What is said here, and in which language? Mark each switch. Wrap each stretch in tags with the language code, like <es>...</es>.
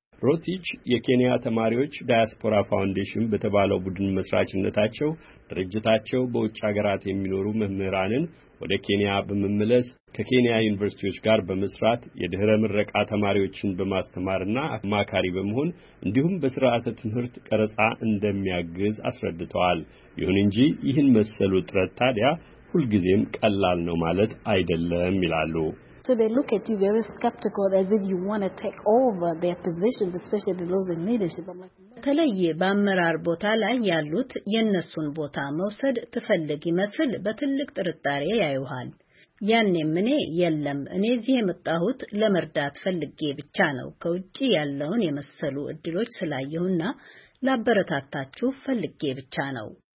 <am>ሮቲች የኬንያ ተማሪዎች ዳያስፖራ ፋውንዴሽን በተባለው ቡድን መስራችነታቸው ድርጅታቸው በውጭ ሀገራት የሚኖሩ መምህራንን ወደ ኬንያ በመመለስ ከኬንያ ዩኒቨርሲቲዎች ጋር በመስራት የድህረ ምረቃ ተማሪዎችን በማስተማርና አማካሪ በመሆን እንዲሁም በስርዓተ ትምህርት ቀረጻ እንደሚያግዝ አስረድተዋል። ይሁን እንጂ ይህን መሰሉ ጥረት ታዲያ ሁልጊዜም ቀላል ነው ማለት አይደለም ይላሉ።</am> <en>So they look at you very skeptical as if you want to take over their positions, especially those in leadership.</en> <am>ተለይ በአመራር ቦታ ላይ ያሉት የነሱን ቦታ መውሰድ ትፈልግ ይመስል በትልቅ ጥርጣሬ ያዩሃል። ያኔ ምን የለም እኔ እዚህ የመጣሁት ለመርዳት ፈልጌ ብቻ ነው። ከውጪ ያለውን የመሰሉ እድሎች ስላየሁና ላበረታታችሁ ፈልጌ ብቻ ነው።</am>